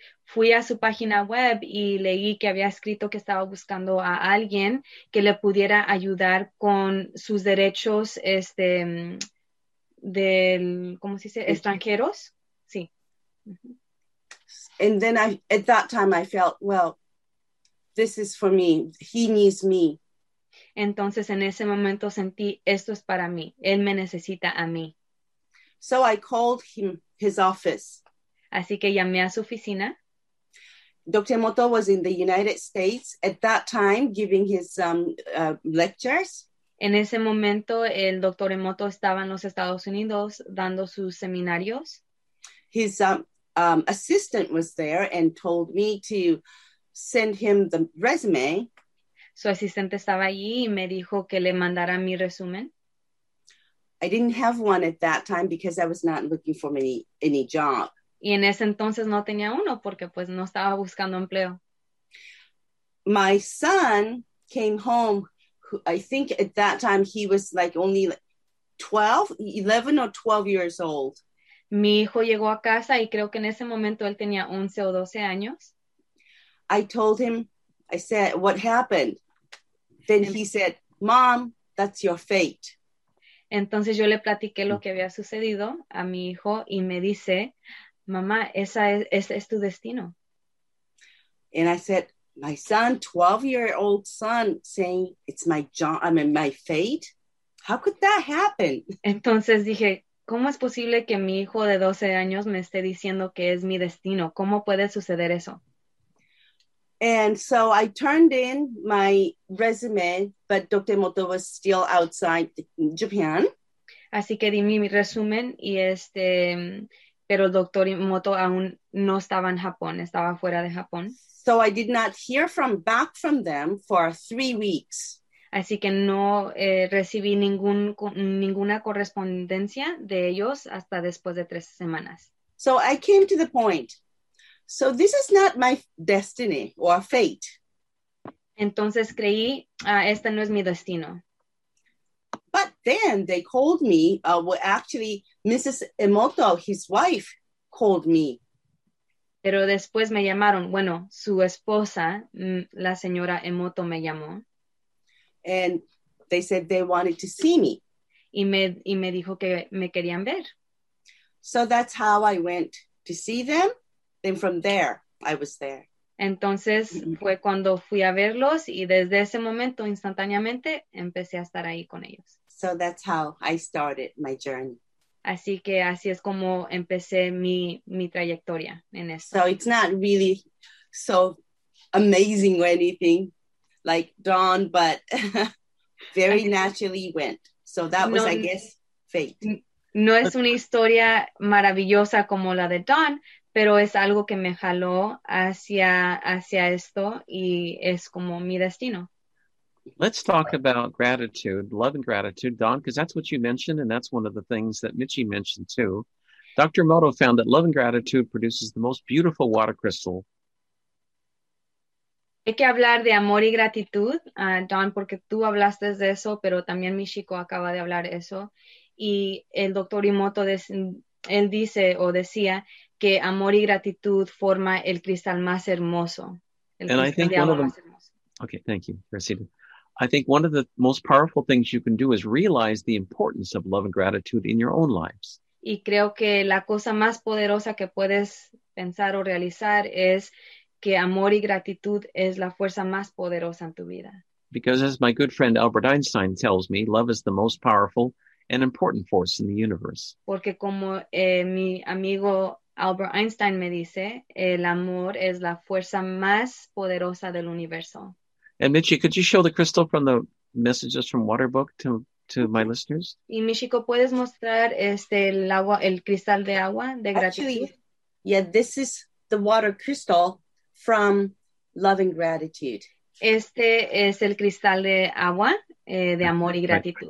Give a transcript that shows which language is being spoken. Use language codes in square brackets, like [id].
[es] Fui a su página web y leí que había escrito que estaba buscando a alguien que le pudiera ayudar con sus derechos del, ¿cómo se dice? Extranjeros. Sí. [en] And then at that time I felt, well, this is for me. He needs me. [es] Entonces en ese momento sentí, esto es para mí. Él me necesita a mí. [en] So I called him his office. [es] Así que llamé a su oficina. [en] Dr. Moto was in the United States at that time giving his lectures. [es] En ese momento, el Dr. Imoto estaba en los Estados Unidos dando sus seminarios. [en] His assistant was there and told me to send him the resume. [es] Su asistente estaba allí y me dijo que le mandara mi resumen. [en] I didn't have one at that time because I was not looking for any job. [es] Y en ese entonces no tenía uno porque pues no estaba buscando empleo. [en] My son came home. I think at that time he was like only 11 or 12 years old. [es] Mi hijo llegó a casa y creo que en ese momento él tenía 11 o 12 años. [en] I told him, I said, what happened? Then he said, Mom, that's your fate. [es] Entonces yo le platiqué lo que había sucedido a mi hijo y me dice, Mamá, ese es tu destino. [en] And I said, my son, 12-year-old son, saying, it's my job, I mean, my fate. How could that happen? [es] Entonces dije, ¿cómo es posible que mi hijo de 12 años me esté diciendo que es mi destino? ¿Cómo puede suceder eso? [en] And so I turned in my resume, but Dr. Moto was still outside Japan. [es] Así que di mi resumen, y pero el Dr. Moto aún no estaba en Japón, estaba fuera de Japón. [en] So I did not hear back from them for 3 weeks. [es] Así que no recibí ninguna correspondencia de ellos hasta después de 3 semanas. [en] So I came to the point. So this is not my destiny or fate. [es] Entonces creí, este no es mi destino. [en] But then they called me, actually Mrs. Emoto, his wife, called me. [es] Pero después me llamaron, bueno, su esposa, la señora Emoto, me llamó. [en] And they said they wanted to see me. [es] Y me dijo que me querían ver. [en] So that's how I went to see them. Then from there, I was there. [es] Entonces fue cuando fui a verlos y desde ese momento instantáneamente empecé a estar ahí con ellos. [en] So that's how I started my journey. [es] Así que así es como empecé mi trayectoria en eso. [en] So it's not really so amazing or anything like Dawn, but very naturally went. So that was, no, I guess, fate. [es] No es una historia maravillosa como la de Dawn, pero es algo que me jaló hacia esto y es como mi destino. [en] Let's talk about gratitude, love and gratitude, Dawn, because that's what you mentioned, and that's one of the things that Michi mentioned too. Dr. Moto found that love and gratitude produces the most beautiful water crystal. [es] Hay que hablar de amor y gratitud, Dawn, porque tú hablaste de eso, pero también Michiko acaba de hablar de eso. Y el Dr. Imoto, él dice o decía que amor y gratitud forma el cristal más hermoso. [en] Okay, thank you. Proceed. I think one of the most powerful things you can do is realize the importance of love and gratitude in your own lives. [es] Y creo que la cosa más poderosa que puedes pensar o realizar es que amor y gratitud es la fuerza más poderosa en tu vida. [en] Because as my good friend Albert Einstein tells me, love is the most powerful and important force in the universe. [es] Porque como mi amigo Albert Einstein me dice, el amor es la fuerza más poderosa del universo. [en] And Michi, could you show the crystal from the Messages from Water book to my listeners? [es] Y Michiko, ¿puedes mostrar el agua, el cristal de agua de gratitud? [en] Actually, yeah, this is the water crystal from Love and Gratitude. [es] Este es el cristal de agua de amor y gratitud.